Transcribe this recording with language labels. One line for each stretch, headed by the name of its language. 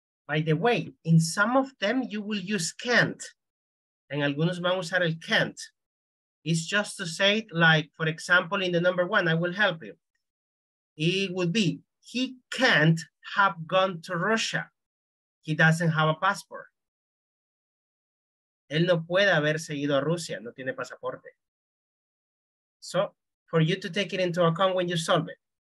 English: By the way, in some of them you will use can't.
Spanish: En algunos van a usar el can't.
English: It's just to say, like, for example, in the number one, I will help you. It would be, he can't have gone to Russia. He doesn't have a passport.
Spanish: Él no puede haberse ido a Rusia, no tiene pasaporte.
English: So, for you to take it into account when you solve it.